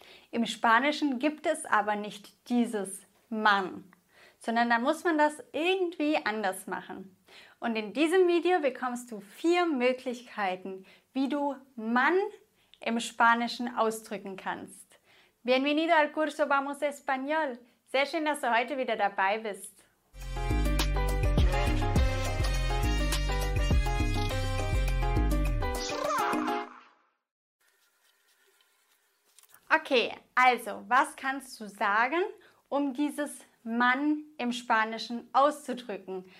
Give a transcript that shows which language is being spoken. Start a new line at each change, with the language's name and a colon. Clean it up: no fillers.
German: Im Spanischen gibt es aber nicht dieses man, sondern da muss man das irgendwie anders machen. Und in diesem Video bekommst du 4 Möglichkeiten, wie du man im Spanischen ausdrücken kannst.
Spanish: Bienvenido al curso Vamos Español.
German: Sehr schön, dass du heute wieder dabei bist. Okay, also, was kannst du sagen, um dieses man im Spanischen auszudrücken?